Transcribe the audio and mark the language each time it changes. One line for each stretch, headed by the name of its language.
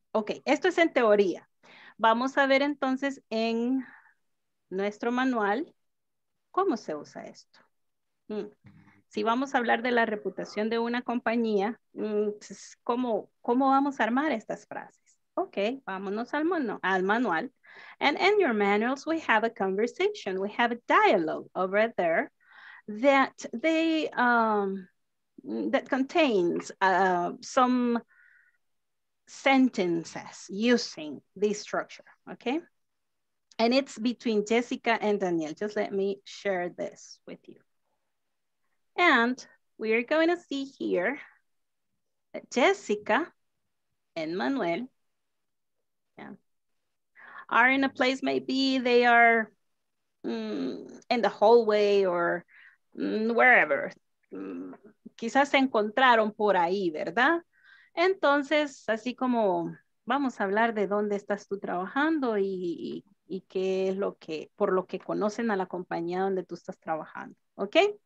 Spanish: Ok, esto es en teoría. Vamos a ver entonces en nuestro manual cómo se usa esto. Si vamos a hablar de la reputación de una compañía, ¿cómo vamos a armar estas frases? Ok, vámonos al manual.
English: And in your manuals, we have a conversation. We have a dialogue over there that they that contains some sentences using this structure. Ok. And it's between Jessica and Daniel. Just let me share this with you. And we are going to see here that Jessica and Manuel, yeah, are in a place, maybe they are in the hallway or wherever.
Spanish: Quizás se encontraron por ahí, ¿verdad? Entonces, así como vamos a hablar de dónde estás tú trabajando y qué es lo que, por lo que conocen a la compañía donde tú estás trabajando, ¿ok?